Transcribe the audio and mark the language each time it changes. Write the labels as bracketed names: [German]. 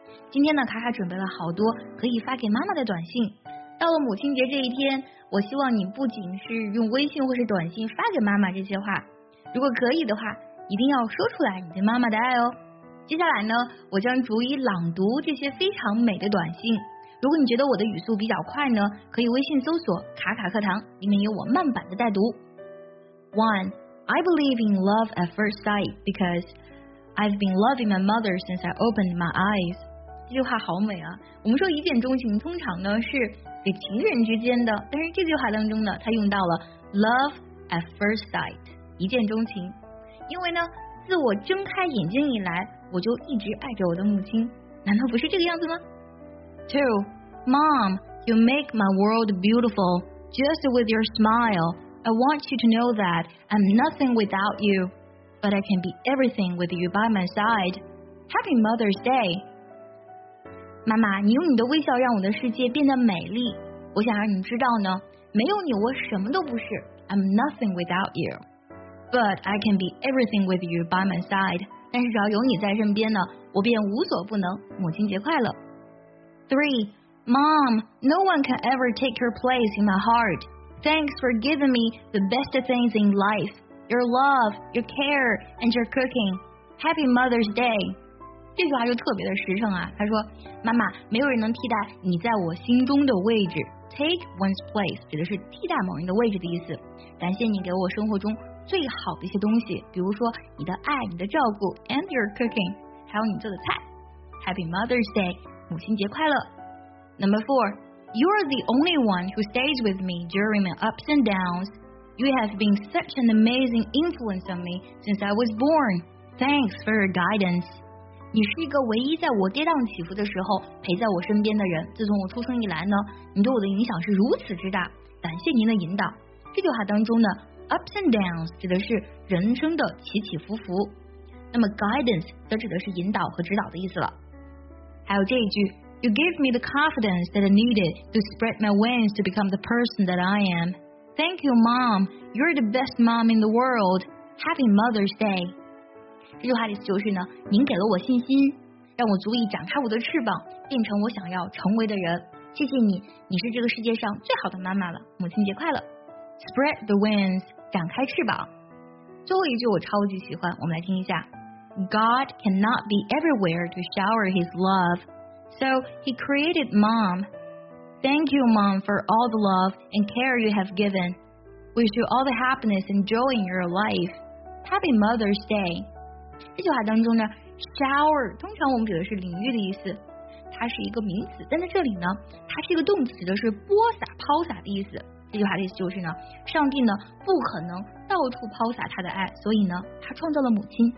[Chinese] 今天呢，卡卡准备了好多可以发给妈妈的短信。到了母亲节这一天，我希望你不仅是用微信或是短信发给妈妈这些话，如果可以的话，一定要说出来你对妈妈的爱哦。接下来呢，我将逐一朗读这些非常美的短信。如果你觉得我的语速比较快呢，可以微信搜索卡卡课堂，里面有我慢版的带读。 1. [English] I believe in love at first sight because I've been loving my mother since I opened my eyes. [Chinese] 这句话好美啊，我们说一见钟情通常呢是给情人之间的，但是这句话当中呢他用到了 love at first sight， 一见钟情，因为呢自我睁开眼睛以来我就一直爱着我的母亲，难道不是这个样子吗？ 2. [English] Mom, you make my world beautiful just with your smileI want you to know that I'm nothing without you, but I can be everything with you by my side. Happy Mother's Day! [Chinese] 妈妈，你用你的微笑让我的世界变得美丽。我想让你知道呢，没有你我什么都不是。 [English] I'm nothing without you, but I can be everything with you by my side. [Chinese] 但是只要有你在身边呢，我便无所不能。母亲节快乐。 [English] 3. Mom, no one can ever take your place in my heart. Thanks for giving me the best things in life. Your love, your care, and your cooking. Happy Mother's Day. [Chinese] 这句话就特别的实诚啊。他说，妈妈，没有人能替代你在我心中的位置。 Take one's place 指的是替代某人的位置的意思。感谢你给我生活中最好的一些东西，比如说你的爱、你的照顾 ， [English] and your cooking， [Chinese] 还有你做的菜。 [English] Happy Mother's Day， [Chinese] 母亲节快乐。 [English] Number four. You're the only one who stays with me during my ups and downs. You have been such an amazing influence on me since I was born. Thanks for your guidance. [Chinese] 你是一个唯一在我跌宕起伏的时候陪在我身边的人。自从我出生以来呢，你对我的影响是如此之大。感谢您的引导。这句话当中呢 ，ups and downs 指的是人生的起起伏伏，那么 guidance 则指的是引导和指导的意思了。还有这一句。 [English] You gave me the confidence that I needed to spread my wings to become the person that I am. Thank you, Mom. You're the best mom in the world. Happy Mother's Day. [Chinese] 这句话的意思就是呢，您给了我信心，让我足以展开我的翅膀，变成我想要成为的人。谢谢你，你是这个世界上最好的妈妈了。母亲节快乐。Spread the wings, 展开翅膀。最后一句我超级喜欢，我们来听一下。 [English] God cannot be everywhere to shower his love. So he created mom. Thank you, mom, for all the love and care you have given. Wish you all the happiness and joy in your life. Happy Mother's Day. [Chinese] 这句话当中呢 ，shower 通常我们指的是淋浴的意思，它是一个名词，但在这里呢，它是一个动词，指的是播撒、抛洒的意思。这句话的意思就是呢，上帝呢不可能到处抛洒他的爱，所以呢，他创造了母亲。